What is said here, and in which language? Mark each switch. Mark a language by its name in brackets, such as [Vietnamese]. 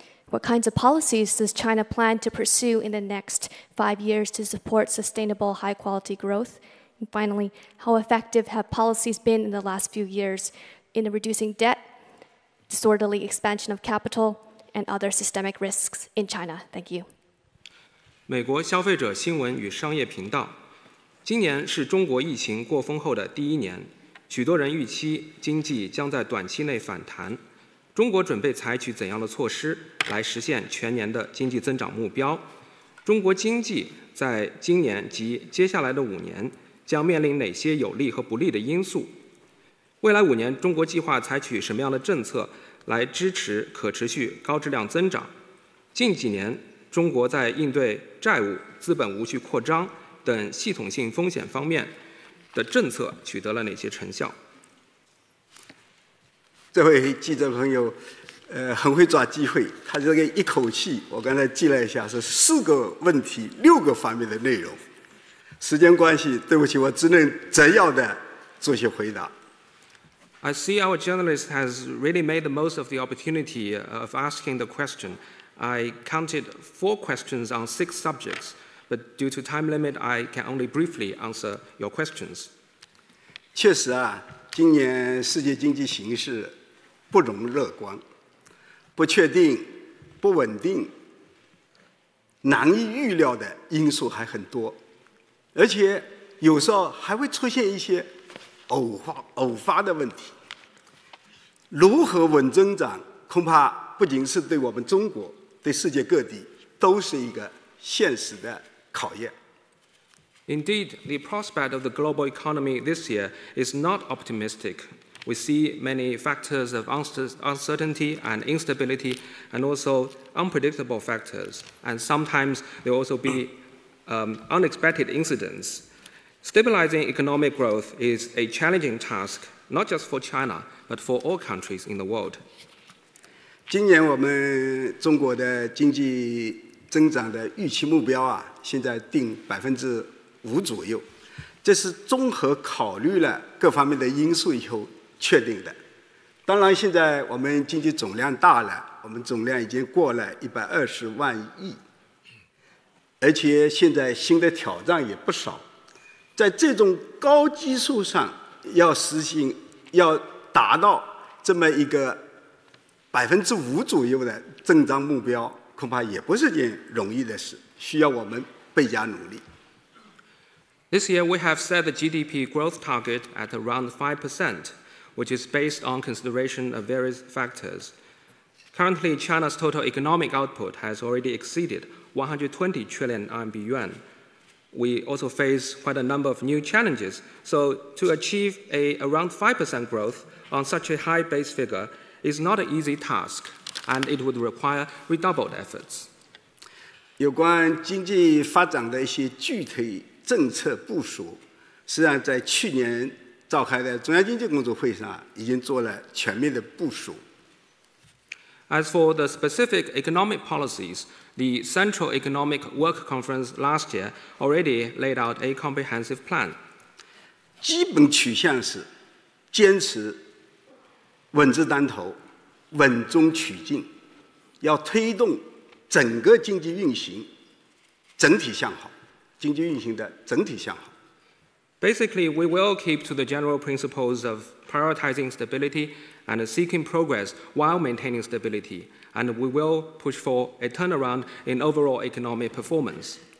[English] What kinds of policies does China plan to pursue in the next 5 years to support sustainable high-quality growth? And finally, how effective have policies been in the last few years in reducing debt, disorderly expansion of capital, and other systemic risks in China? Thank you. [Chinese] 美国消费者新闻与商业频道，今年是中国疫情过峰后的第一年，许多人预期经济将在短期内反弹。中国准备采取怎样的措施来实现全年的经济增长目标？中国经济在今年及接下来的五年将面临哪些有利和不利的因素？未来五年，中国计划采取什么样的政策来支持可持续高质量增长？近几年，中国在应对债务、资本无序扩张等系统性风险方面的政策取得了哪些成效？这位记者朋友，很会抓机会。他这个一口气，我刚才记了一下，是四个问题，六个方面的内容。时间关系，对不起，我只能摘要的做些回答。 [English] I see our journalist has really made the most of the opportunity of asking the question. I counted four questions on six subjects, but due to time limit, I can only briefly answer your questions. [Chinese] 确实啊，今年世界经济形势不容乐观，不确定、不稳定、难以预料的因素还很多，而且有时候还会出现一些偶发的问题。如何稳增长，恐怕不仅是对我们中国，对世界各地都是一个现实的考验。 [English] Indeed, the prospect of the global economy this year is not optimistic. We see many factors of uncertainty and instability, and also unpredictable factors. And sometimes there will also be unexpected incidents. Stabilizing economic growth is a challenging task, not just for China, but for all countries in the world. [Chinese] 今年我们中国的经济增长的预期目标啊，现在定5%左右，这是综合考虑了各方面的因素以后确定的。当然，现在我们经济总量大了，我们总量已经过了120万亿，而且现在新的挑战也不少。在这种高基数上，要实行、要达到这么一个5%左右的增长目标，恐怕也不是件容易的事，需要我们倍加努力。 [English] This year, we have set the GDP growth target at around 5%, which is based on consideration of various factors. Currently, China's total economic output has already exceeded 120 trillion RMB yuan. We also face quite a number of new challenges. So to achieve around 5% growth on such a high base figure is not an easy task, and it would require redoubled efforts. [Chinese] 有关经济发展的一些具体政策部署，实际上在去年召开的中央经济工作会上已经做了全面的部署。 [English] As for the specific economic policies, the Central Economic Work Conference last year already laid out a comprehensive plan. [Chinese] 基本取向是坚持稳字当头、稳中取进，要推动整个经济运行整体向好。经济运行的整体向好。 [English] Basically, we will keep to the general principles of prioritizing stability and seeking progress while maintaining stability, and we will push for a turnaround in overall economic performance.